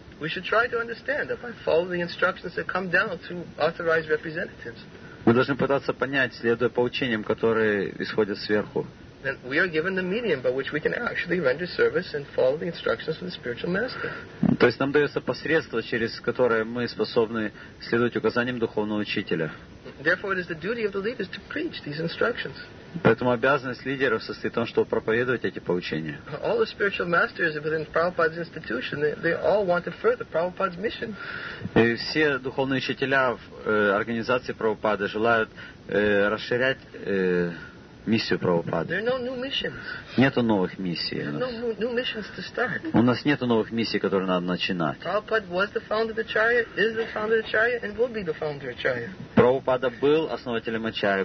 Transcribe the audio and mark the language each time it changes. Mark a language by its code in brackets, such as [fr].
[en] We should try to understand that by following the instructions that come down through authorized representatives. [ru] Мы должны пытаться понять, следуя поучениям, которые исходят сверху. [en] Then we are given the medium by which we can actually render service and follow the instructions of the spiritual master. [ru] То есть нам дается посредство, через которое мы способны следовать указаниям духовного учителя. [en] Therefore, it is the duty of the leaders to preach these instructions. [ru] Поэтому обязанность лидеров состоит в том, чтобы проповедовать эти поучения. [en] All the spiritual masters within Prabhupada's institution, they all want to further Prabhupada's mission. [ru] И все духовные учителя в организации Прабхупады желают расширять миссию Прабхупады. Нету новых миссий. У нас нету новых миссий, которые надо начинать. Прабхупада был основателем Ачарьи.